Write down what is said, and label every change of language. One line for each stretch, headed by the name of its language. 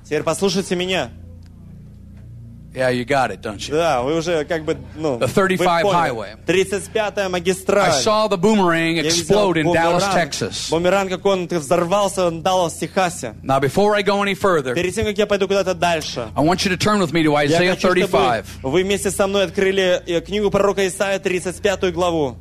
Russian: Теперь послушайте меня.
English: Yeah, you got it, don't you?
Russian: Да, вы уже как бы, ну,
English: the 35 highway.
Russian: 35-я магистраль.
English: I saw the boomerang explode in Dallas, Texas.
Russian: Бумеранг, как он взорвался в Далласе, Техасе.
English: Now before I go any further.
Russian: Перед тем, как я пойду куда-то дальше.
English: I want you to turn with me to Isaiah 35.
Russian: Вы вместе со мной открыли книгу пророка Исаия, 35-ю главу.